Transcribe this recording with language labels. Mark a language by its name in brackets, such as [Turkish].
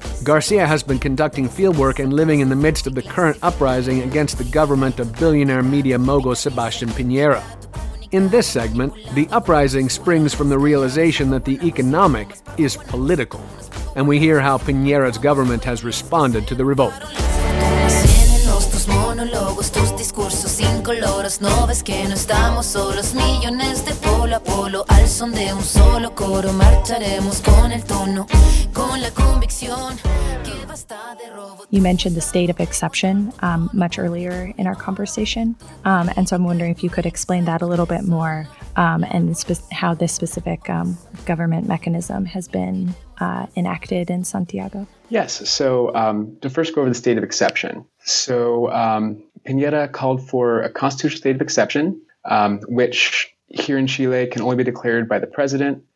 [English] Garcia has been conducting fieldwork and living in the midst of the current uprising against the government of billionaire media mogul Sebastián Piñera. In this segment, the uprising springs from the realization that the economic is political, and we hear how Piñera's government has responded to the revolt. [Spanish] Monólogos, tus discursos sin coloros, no ves que no estamos solos, millones de polo a polo, al son de un solo coro, marcharemos con el tono, con la convicción, que basta de robo. [English] You mentioned the state of exception much earlier in our conversation, and so I'm wondering if you could explain that a little bit more, and how this specific government mechanism has been enacted in Santiago. Yes, so to first go over the state of exception. So Piñera called for a constitutional state of exception, which here in Chile can only be declared by the president.